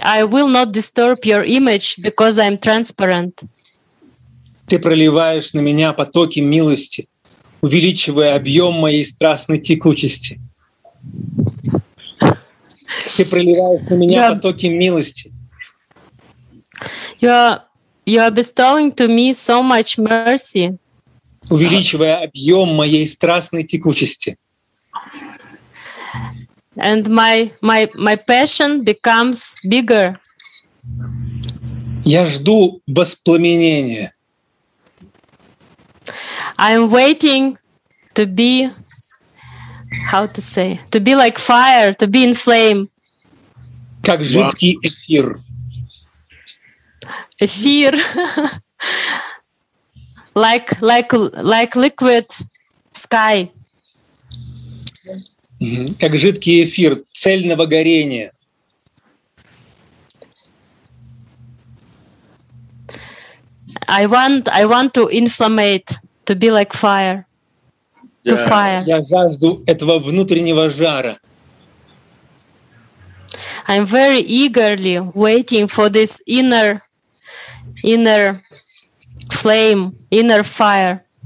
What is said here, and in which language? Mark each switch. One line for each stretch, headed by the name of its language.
English: I will not disturb your image because I am transparent.
Russian: Ты проливаешь на меня потоки милости, увеличивая объем моей страстной текучести. Ты проливаешь на меня потоки милости.
English: You are bestowing to me so much mercy.
Russian: Увеличивая объем моей страстной текучести.
English: And my passion becomes bigger.
Russian: Я жду воспламенения.
English: I'm waiting to be, how to say, to be like fire, to be in flame.
Russian: Как жидкий эфир. Эфир.
English: like liquid sky.
Russian: Как жидкий эфир цельного горения.
English: I want to inflammate, to be like fire. To fire.
Russian: Я жажду этого внутреннего жара.
English: I'm very eagerly waiting for this inner flame, inner fire.